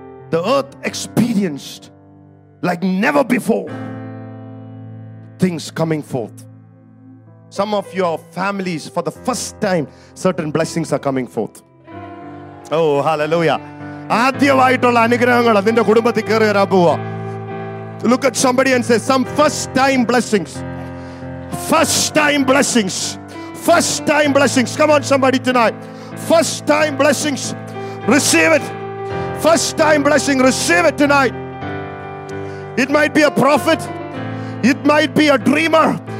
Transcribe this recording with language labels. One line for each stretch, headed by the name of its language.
English: The earth experienced like never before things coming forth. Some of your families, for the first time, certain blessings are coming forth. Oh, hallelujah.
Malayalam: ആദ്യമായിട്ടുള്ള അനുഗ്രഹങ്ങൾ അതിന്റെ കുടുംബത്തിൽ കയറി വരാൻ പോവുക.
English: Look at somebody and say, some first time blessings. First time blessings. First time blessings. Come on, somebody, tonight. First time blessings. Receive it. First time blessing. Receive it tonight. It might be a prophet. It might be a dreamer.